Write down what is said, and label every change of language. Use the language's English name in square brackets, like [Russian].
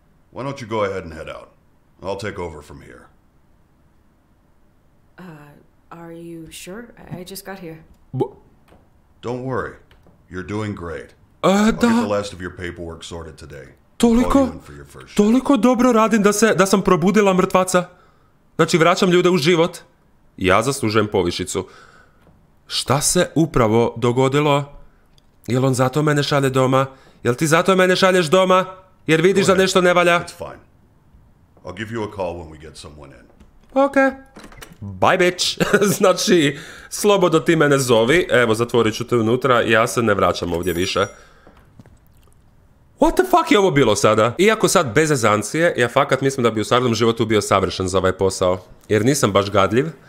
[English] Why don't you go ahead and head out? I'll take over from here. Are you sure? I just got here. Don't worry. You're doing great. I'll get the last of your paperwork sorted today. [Croatian] Toliko, toliko dobro radim da sam probudila mrtvaca. Znači, vraćam ljude u život. Ja zaslužujem povišicu. Šta se upravo dogodilo? Jel on zato mene šalje doma? Jel ti zato mene šalješ doma? Jer vidiš da nešto ne valja? [English] It's fine. I'll give you a call when we get someone in. Okay. Bye, bitch. [Croatian] Znači, slobodno ti mene zovi. Evo, zatvorit ću te unutra. Ja se ne vraćam ovdje više. [English] What the fuck [Croatian] je ovo bilo sada? Iako sad bez ezancije, ja fakat mislim da bi u stvarnom životu bio savršen za ovaj posao. Jer nisam baš gadljiv.